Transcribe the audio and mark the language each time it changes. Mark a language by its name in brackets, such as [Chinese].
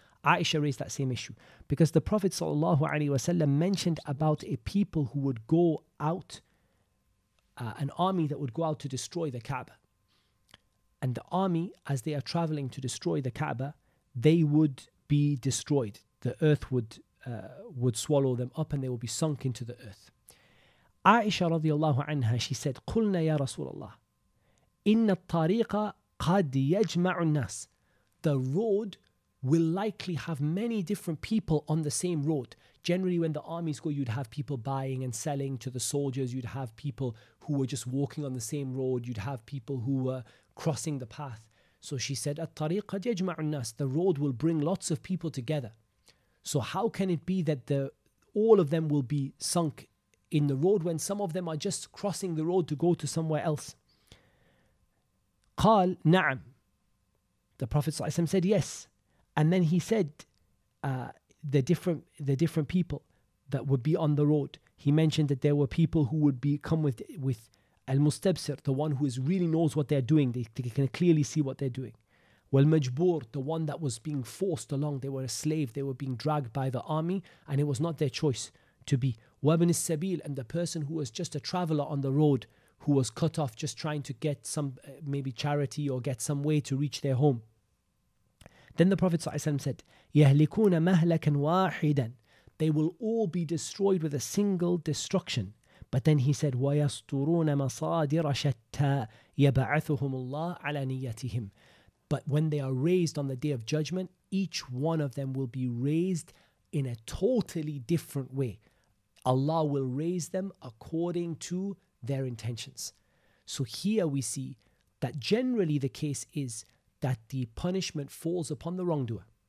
[English] Aisha raised that same issue because the Prophet sallallahu alaihi wasallam mentioned about a people who would go out, an army that would go out to destroy the Kaaba. And the army, as they are traveling to destroy the Kaaba, they would be destroyed. The earth would swallow them up and they will be sunk into the earth. [Arabic] Aisha radiallahu anha, [English] she said, [Arabic] قُلْنَا يَا رَسُولَ اللَّهِ إِنَّ الطَّارِيقَ قَدْ يَجْمَعُ النَّاسِ. [English] The road will likely have many different people on the same road. Generally, when the armies go, you'd have people buying and selling to the soldiers. You'd have people who were just walking on the same road. You'd have people who were crossing the path. So she said, [Arabic] الطَّارِيقَ قَدْ يَجْمَعُ النَّاسِ. [English] The road will bring lots of people together. So how can it be that all of them will be sunk in the road when some of them are just crossing the road to go to somewhere else? [Arabic] قال نعم. [English] The Prophet ﷺ said yes. And then he said the different people that would be on the road. He mentioned that there were people who would be come with al-mustabsir, the one who is really knows what they're doing. They can clearly see what they're doing. Well, majbur, the one that was being forced along. They were a slave. They were being dragged by the army and it was not their choice to be. [Arabic] وَابْنِ السَّبِيلِ, [English] and the person who was just a traveler on the road, who was cut off just trying to get some maybe charity or get some way to reach their home. Then the Prophet ﷺ said, [Arabic] يَهْلِكُونَ مَهْلَكًا وَاحِدًا. [English] They will all be destroyed with a single destruction. But then he said, [Arabic] وَيَسْتُرُونَ مَصَادِرَ شَتَّى يَبَعَثُهُمُ اللَّهُ عَلَى نِيَّتِهِمْ. [English] But when they are raised on the Day of Judgment, each one of them will be raised in a totally different way. Allah will raise them according to their intentions. So here we see that generally the case is that the punishment falls upon the wrongdoer.